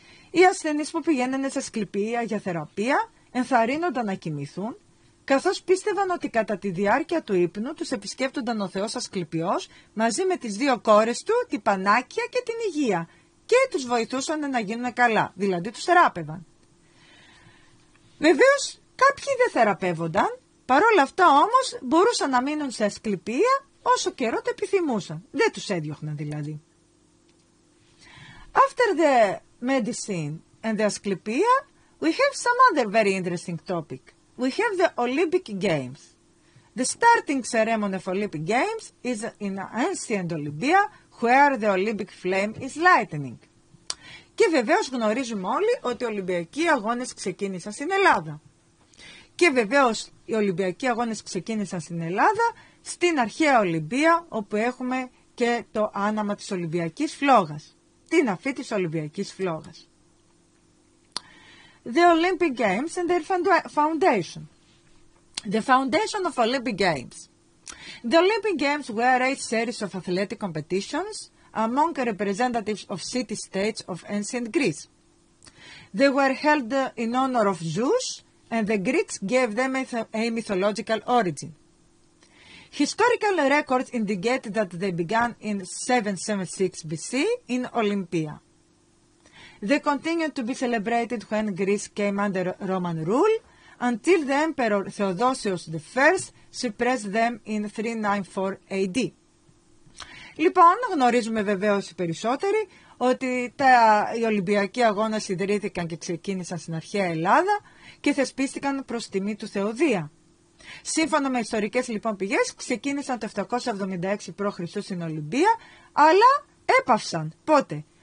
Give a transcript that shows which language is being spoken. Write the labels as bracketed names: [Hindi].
[Greek] Οι ασθενείς που πηγαίνανε στα Ασκληπία για θεραπεία ενθαρρύνονταν να κοιμηθούν, καθώς πίστευαν ότι κατά τη διάρκεια του ύπνου τους επισκέπτονταν ο Θεός Ασκληπιός μαζί με τις δύο κόρες του, την Πανάκια και την Αιγεία, και τους βοηθούσαν να γίνουν καλά, δηλαδή τους θεράπευαν. Βεβαίως, κάποιοι δεν θεραπεύονταν, παρόλα αυτά όμως μπορούσαν να μείνουν σε Ασκληπία όσο καιρό το επιθυμούσαν. Δεν τους έδιωχναν δηλαδή. [English] After the medicine and the Asclepia, we have some other very interesting topic. We have the Olympic Games. The starting ceremony of Olympic Games is in ancient Olympia, where the Olympic flame is lightning. [Greek] Και βεβαίως γνωρίζουμε όλοι ότι οι Ολυμπιακοί αγώνες ξεκίνησαν στην Ελλάδα. Και βεβαίως οι Ολυμπιακοί αγώνες ξεκίνησαν στην Ελλάδα, στην αρχαία Ολυμπία, όπου έχουμε και το άναμα της Ολυμπιακής φλόγας. Την αφή της Ολυμπιακής φλόγας. [English] The Olympic Games and their foundation. The foundation of Olympic Games. The Olympic Games were a series of athletic competitions among representatives of city-states of ancient Greece. They were held in honor of Zeus, and the Greeks gave them a mythological origin. Historical records indicate that they began in 776 BC in Olympia. They continued to be celebrated when Greece came under Roman rule, until the Emperor Theodosius I suppressed them in 394 AD. [Greek] Λοιπόν, γνωρίζουμε βεβαίως οι περισσότεροι ότι οι Ολυμπιακοί αγώνες ιδρύθηκαν και ξεκίνησαν στην αρχαία Ελλάδα και θεσπίστηκαν προς τιμή του Θεοδία. Σύμφωνα με ιστορικές λοιπόν πηγές, ξεκίνησαν το 776 π.Χ. στην Ολυμπία, αλλά έπαυσαν. Πότε?